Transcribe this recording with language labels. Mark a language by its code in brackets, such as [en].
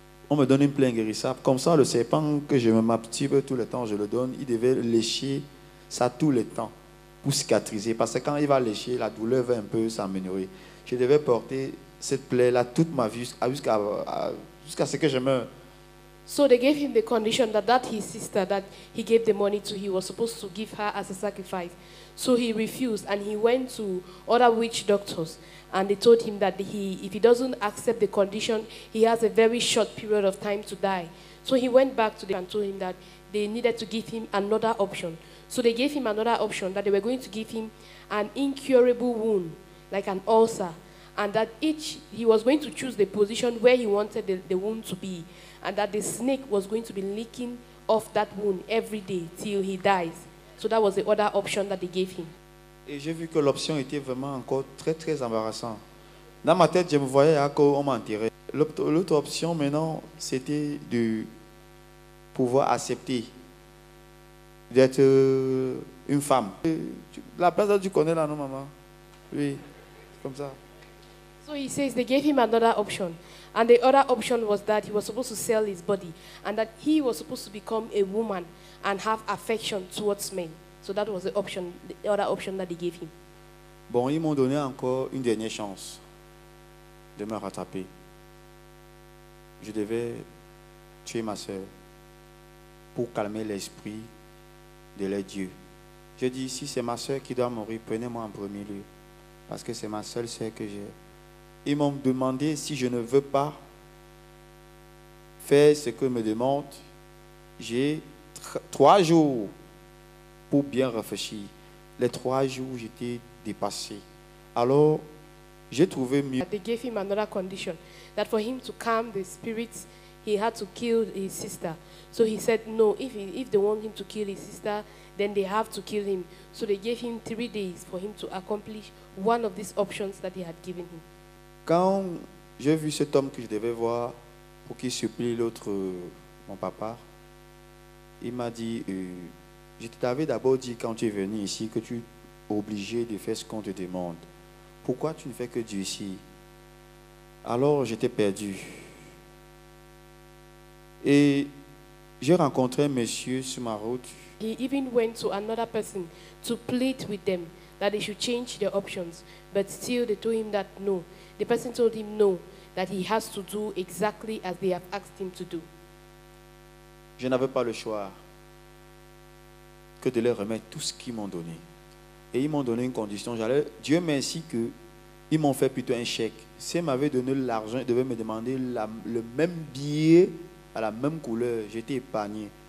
[fr] On me donne une plaie inguérissable. Comme ça, le serpent que je m'abstive tout le temps, je le donne, il devait lécher ça tout le temps. Pour cicatriser, parce que quand il va lécher, la douleur va un peu s'améliorer. Je devais porter cette plaie-là toute ma vie jusqu'à ce que je meure. [en] So they gave him the condition that his sister that he gave the money to, he was supposed to give her as a sacrifice. So he refused and he went to other witch doctors and they told him that if he doesn't accept the condition, he has a very short period of time to die. So he went back to them and told him that they needed to give him another option. So they gave him another option that they were going to give him an incurable wound, like an ulcer, and that he was going to choose the position where he wanted the wound to be, and that the snake was going to be licking off that wound every day till he dies. So that was the other option that they gave him. [fr] Et j'ai vu que l'option était vraiment encore très très embarrassant. Dans ma tête, je me voyais à quoi on m'enterrait. L'autre option maintenant, c'était de pouvoir accepter d'être une femme. La personne tu connais là, non, maman? Oui, comme ça. [en] So he says they gave him another option. And the other option was that he was supposed to sell his body and that he was supposed to become a woman and have affection towards men. So that was the option, the other option that they gave him. [fr] Bon, ils m'ont donné encore une dernière chance de me rattraper. Je devais tuer ma sœur pour calmer l'esprit de leur Dieu. Je dis, si c'est ma sœur qui doit mourir, prenez-moi en premier lieu. Parce que c'est ma seule sœur que j'ai. Ils m'ont demandé si je ne veux pas faire ce que me demande. J'ai trois jours pour bien réfléchir. Les trois jours, j'étais dépassé. Alors, j'ai trouvé mieux. [en] They gave him another condition that for him to calm the spirits, he had to kill his sister. So he said, no, if they want him to kill his sister, then they have to kill him. So they gave him 3 days for him to accomplish one of these options that he had given him. [fr] Quand j'ai vu cet homme que je devais voir pour qu'il supplie l'autre, mon papa, il m'a dit, je t'avais d'abord dit quand tu es venu ici que tu es obligé de faire ce qu'on te demande. Pourquoi tu ne fais que Dieu ici? Alors j'étais perdu. Et j'ai rencontré un monsieur sur ma route. [en] He even went to another person to plead with them that they should change their options. But still they told him that no. The person told him no, that he has to do exactly as they have asked him to do. [fr] Je n'avais pas le choix que de leur remettre tout ce qu'ils m'ont donné. Et ils m'ont donné une condition. Dieu merci qu'ils m'ont fait plutôt un chèque. S'ils m'avaient donné l'argent, ils devaient me demander le même billet à la même couleur. J'étais épargné.